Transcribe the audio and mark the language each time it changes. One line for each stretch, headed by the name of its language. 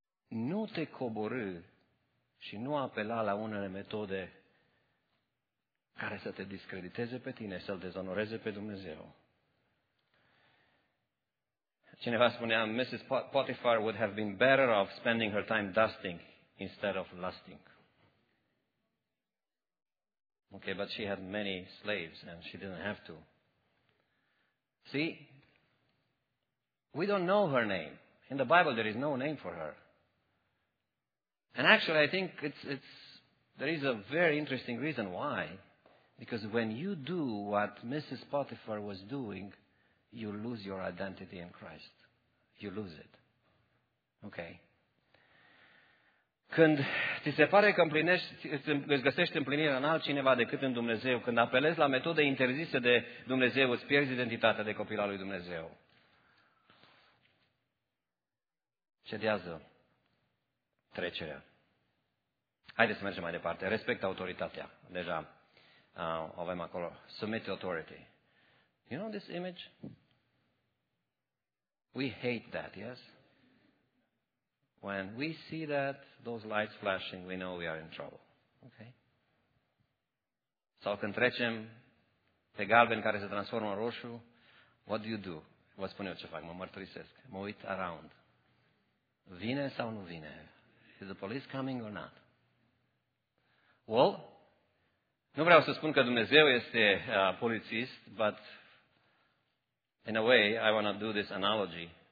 Romanian: Nu te coborî și nu apela la unele metode care să te discrediteze pe tine, să-L dezonoreze pe Dumnezeu. Cineva spunea, Mrs.
English: Potiphar would have been better off spending her time dusting instead of lusting. Okay, but she had many slaves and she didn't have to. See, we don't know her name. In the Bible, there is no name for her. And actually, I think there is a very interesting reason why. Because when you do what Mrs. Potiphar was doing, you lose your identity in Christ. You lose it. Okay?
Romanian: Când ți se pare că îți găsești împlinirea în altcineva decât în Dumnezeu, când apelezi la metode interzise de Dumnezeu, îți pierzi identitatea de copil al lui Dumnezeu. Cedează trecerea. Haideți să mergem mai departe. Respect autoritatea. Deja avem acolo.
English: Submit to authority. You know this image? We hate that, yes? When we see that, those lights flashing, we know we are in trouble. Okay?
Romanian: Sau când trecem pe galben care se transformă în roșu,
English: what do you do?
Romanian: Vă spun eu ce fac, mă mărturisesc. Mă uit around. Vine sau nu vine?
English: Is the police coming or not? Well,
Romanian: nu vreau să spun că Dumnezeu este polițist,
English: but in a way, I want to do this analogy.